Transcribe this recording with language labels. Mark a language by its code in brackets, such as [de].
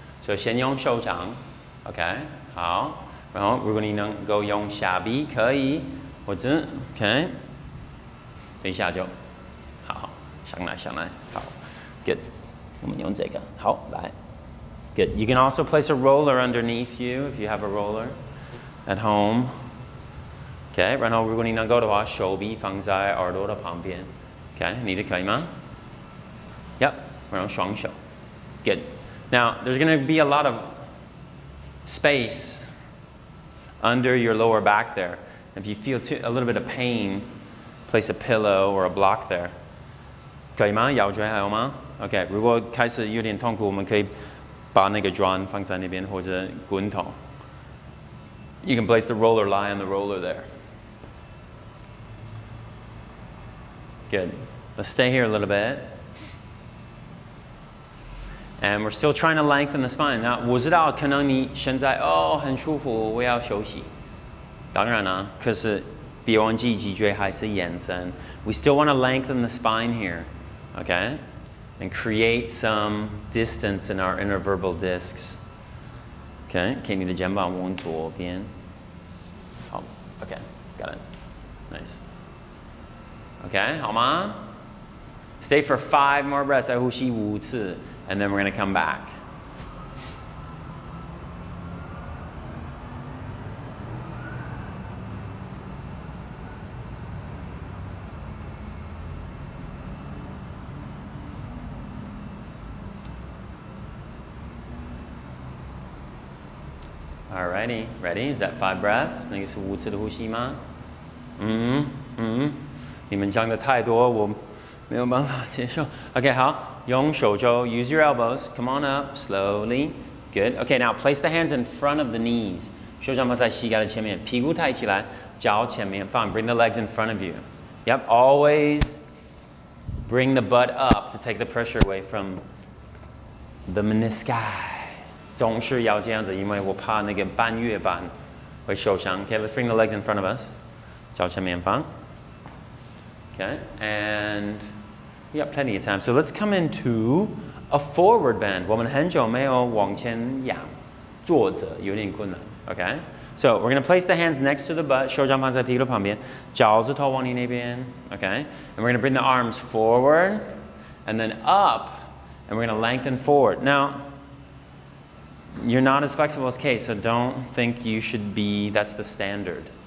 [zh] So 先用手掌 ，OK， 好。然后如果你能够用下臂，可以，或者 OK， 等一下就，好，上来，好 ，Good。我们用这个，好，来 ，Good。 [en] You can also place a roller underneath you if you have a roller. At home. [zh] Okay, 然后如果你能够的话，手臂放在耳朵的旁边。 Okay, 你的可以吗？Yep, 然后双手。Good. [en] Now, there's going to be a lot of space under your lower back there. If you feel a little bit of pain, place a pillow or a block there. [zh] 可以吗？腰椎还有吗？ Okay, 如果开始有点痛苦，我们可以把那个砖放在那边，或者滚筒。 [en] You can place the roller, lie on the roller there. Good. Let's stay here a little bit. And we're still trying to lengthen the spine. [zh] Now, 我知道可能你现在哦很舒服，我要休息。当然啊，可是别忘记脊椎还是延伸。 [en] We still want to lengthen the spine here, okay? And create some distance in our intervertebral discs. [zh] Okay, 可以你的肩膀往左边。Okay, [en] got it. Nice. [zh] Okay, 好吗? [en] Stay for 5 more breaths. [zh] 再呼吸五次, [en] and then we're going to come back. Alrighty, ready? Is that 5 breaths? [zh] 那个是五次的呼吸吗？你们讲的太多，我没有办法接受。 [en] Okay, [zh] 好，用手肘 [en] ，use your elbows. Come on up, slowly. Good. Okay, now place the hands in front of the knees. [zh] 手掌放在膝盖的前面，屁股抬起来，脚前面放。 [en] Bring the legs in front of you. Yep, always bring the butt up to take the pressure away from the meniscus. [zh] 总是要这样子，因为我怕那个半月板会受伤。 [en] Okay, let's bring the legs in front of us. [zh] 脚前面放。 [en] Okay, and we got plenty of time. So let's come into a forward bend. [zh] 我们很久没有往前仰，坐着有点困难。 [en] Okay, so we're going to place the hands next to the butt. [zh] 手掌放在屁股旁边，脚趾头往你那边。 [en] Okay, and we're going to bring the arms forward and then up, and we're going to lengthen forward. Now,You're not as flexible as Kay, so don't think you should be, that's the standard.